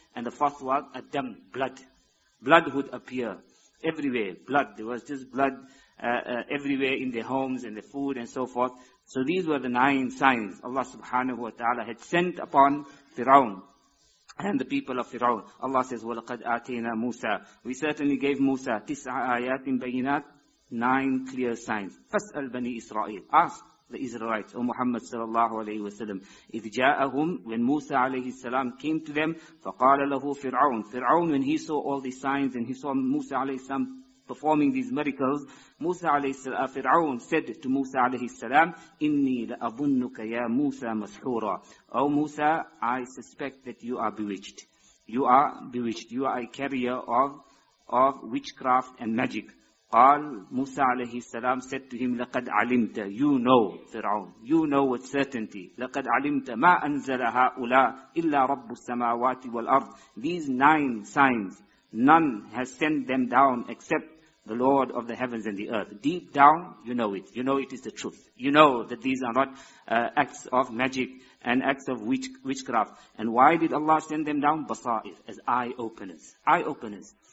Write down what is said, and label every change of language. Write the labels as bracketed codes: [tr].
[en] And the fourth was Ad-Dam, blood. Blood would appear everywhere, blood. There was just blood everywhere in their homes and the food and so forth. So these were the nine signs Allah subhanahu wa ta'ala had sent upon Fir'aun and the people of Fir'aun. Allah says, [ar] وَلَقَدْ آتَيْنَا مُوسَى. [en] We certainly gave Musa [ar] تِسْعَ آيَاتٍ بَيِّنَاتٍ, [en] nine clear signs. [ar] فَاسْأَلْ بَنِي إِسْرَائِيلَ. [en] Ask the Israelites, O Muhammad sallallahu alayhi wa sallam. [ar] إِذْ جَاءَهُمْ, [en] when Musa alayhi salam came to them, [ar] فَقَالَ لَهُ فِرْعَوْنَ. [en] Fir'aun, when he saw all these signs and he saw Musa alayhi salam performing these miracles, Musa alayhi salam, Fir'aun said to Musa alayhi salam, [ar] إِنِّي لَأَظُنُّكَ يَا مُوسَى مَسْحُورًا. [en] O Musa, I suspect that you are bewitched. You are bewitched. You are a carrier of witchcraft and magic. [ar] قال موسى عليه السلام [en] said to him, [ar] لقد علمت, [en] you know Fir'aun, you know with certainty, [ar] لقد علمت ما أنزل هؤلاء إلا رب السماوات والأرض. [en] These nine signs, none has sent them down except the Lord of the heavens and the earth. Deep down, you know it. You know it is the truth. You know that these are not acts of magic and acts of witchcraft. And why did Allah send them down? Basair, as eye-openers. Eye-openers.